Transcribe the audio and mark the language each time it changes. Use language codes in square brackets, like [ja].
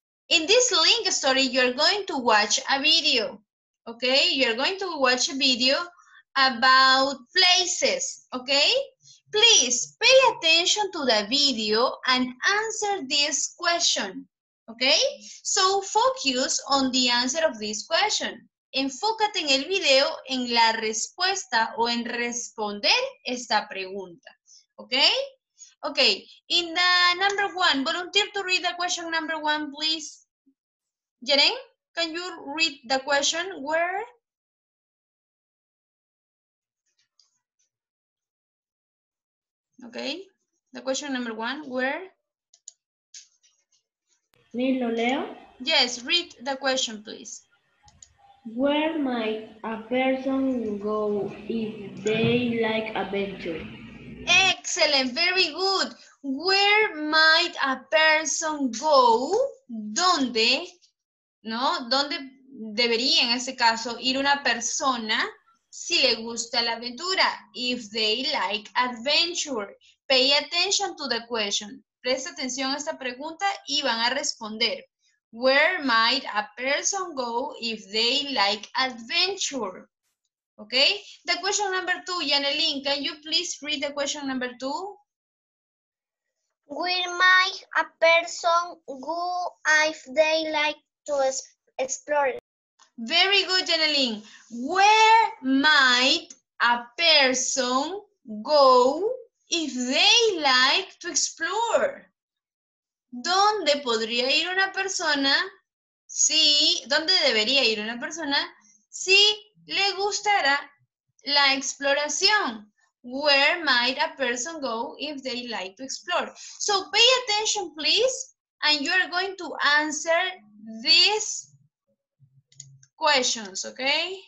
[en] In this link story, you're going to watch a video, okay? You're going to watch a video about places, okay? Please pay attention to the video and answer this question, okay? So focus on the answer of this question. [es] Enfócate en el video en la respuesta o en responder esta pregunta, okay? [en] Okay, in the number one, volunteer to read the question number one, please. Jeren, can you read the question? Where? Okay, the question number one, where? [es] ¿Me lo leo? [en] Yes, read the question, please. Where might a person go if they like adventure? Excellent, very good. Where might a person go? [es] ¿Dónde? ¿No? ¿Dónde debería, en este caso, ir una persona si le gusta la aventura? [en] If they like adventure. Pay attention to the question. [es] Presta atención a esta pregunta y van a responder. [en] Where might a person go if they like adventure? Okay? The question number two, Yanelin, can you please read the question number two? Where might a person go if they like to explore? Very good, Yanelin. Where might a person go if they like to explore? [es] ¿Dónde podría ir una persona si, dónde debería ir una persona si le gustara la exploración? [en] Where might a person go if they like to explore? So pay attention, please, and you are going to answer these questions, okay?